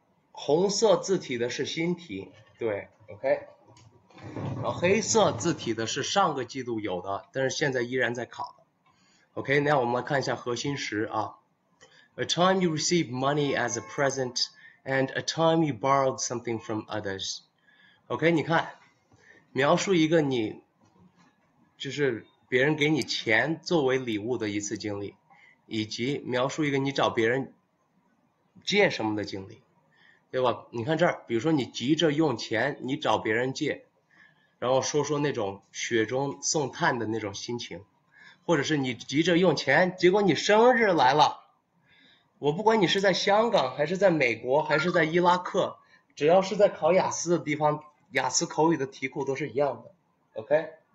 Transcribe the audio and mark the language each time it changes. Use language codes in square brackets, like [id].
[zh] 红色字体的是新题，对，OK。然后黑色字体的是上个季度有的，但是现在依然在考，OK。那我们来看一下核心十啊， [en] A time you receive money as a present and a time you borrowed something from others。 [zh] OK，你看，描述一个你就是别人给你钱作为礼物的一次经历，以及描述一个你找别人借什么的经历。对吧？你看这儿，比如说你急着用钱，你找别人借，然后说说那种雪中送炭的那种心情，或者是你急着用钱，结果你生日来了，我不管你是在香港还是在美国还是在伊拉克，只要是在考雅思的地方，雅思口语的题库都是一样的，OK？